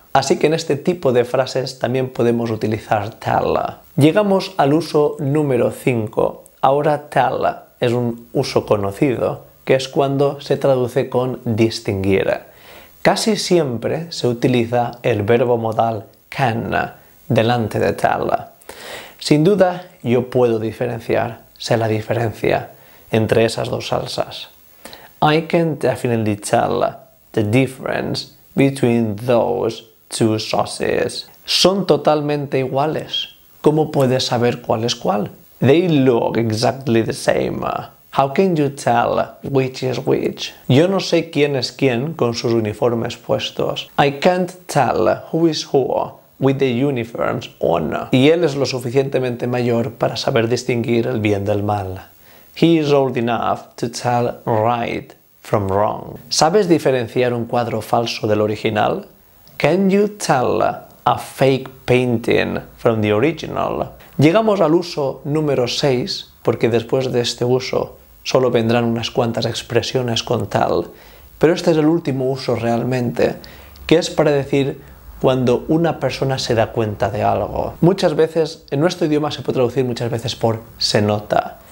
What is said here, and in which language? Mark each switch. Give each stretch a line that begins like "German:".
Spanish: Así que en este tipo de frases también podemos utilizar tell. Llegamos al uso número 5. Ahora tell es un uso conocido que es cuando se traduce con distinguir. Casi siempre se utiliza el verbo modal can delante de tell. Sin duda, yo puedo diferenciar, sé la diferencia entre esas dos salsas.
English: I can definitely tell the difference between those two sauces.
Spanish: Son totalmente iguales. ¿Cómo puedes saber cuál es cuál?
English: They look exactly the same. How can you tell which is which?
Spanish: Yo no sé quién es quién con sus uniformes puestos.
English: I can't tell who is who with the uniforms on.
Spanish: Y él es lo suficientemente mayor para saber distinguir el bien del mal.
English: He is old enough to tell right from wrong.
Spanish: ¿Sabes diferenciar un cuadro falso del original?
English: Can you tell a fake painting from the original?
Spanish: Llegamos al uso número 6, porque después de este uso solo vendrán unas cuantas expresiones con tal, pero este es el último uso realmente, que es para decir cuando una persona se da cuenta de algo. Muchas veces, en nuestro idioma se puede traducir muchas veces por se nota.